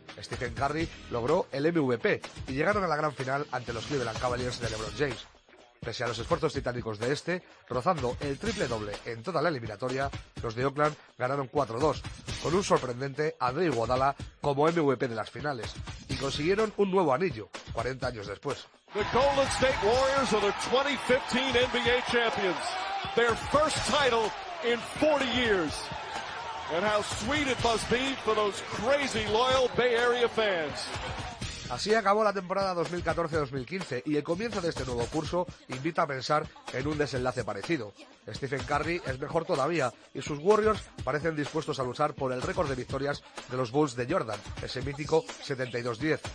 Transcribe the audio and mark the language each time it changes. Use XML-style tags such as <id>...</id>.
<es>Stephen Curry logró el MVP y llegaron a la gran final ante los Cleveland Cavaliers de LeBron James. Pese a los esfuerzos titánicos de este, rozando el triple doble en toda la eliminatoria, los de Oakland ganaron 4-2, con un sorprendente Andre Iguodala como MVP de las finales, y consiguieron un nuevo anillo, 40 años después.</es> <en>The Golden State Warriors are the 2015 NBA champions, their first title in 40 years. And how sweet it must be for those crazy loyal Bay Area fans.</en> <es>Así acabó la temporada 2014-2015 y el comienzo de este nuevo curso invita a pensar en un desenlace parecido. Stephen Curry es mejor todavía y sus Warriors parecen dispuestos a luchar por el récord de victorias de los Bulls de Jordan, ese mítico 72-10.</es>